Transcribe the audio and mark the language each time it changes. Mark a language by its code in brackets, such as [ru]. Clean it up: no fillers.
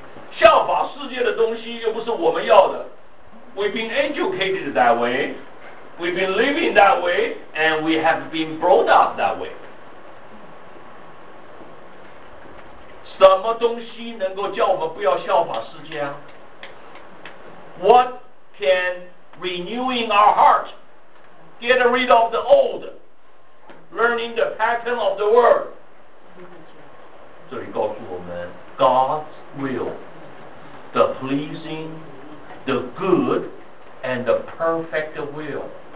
[zh] 效法世界的东西又不是我们要的。 [en] We've been educated that way, we've been living that way, and we have been brought up that way. [zh] 什么东西能够叫我们不要效法世界啊？ [en] What can renewing our heart get rid of the old, learning the pattern of the world? [zh] 这里告诉我们 [en] God's will, the pleasing, the good, and the perfect will.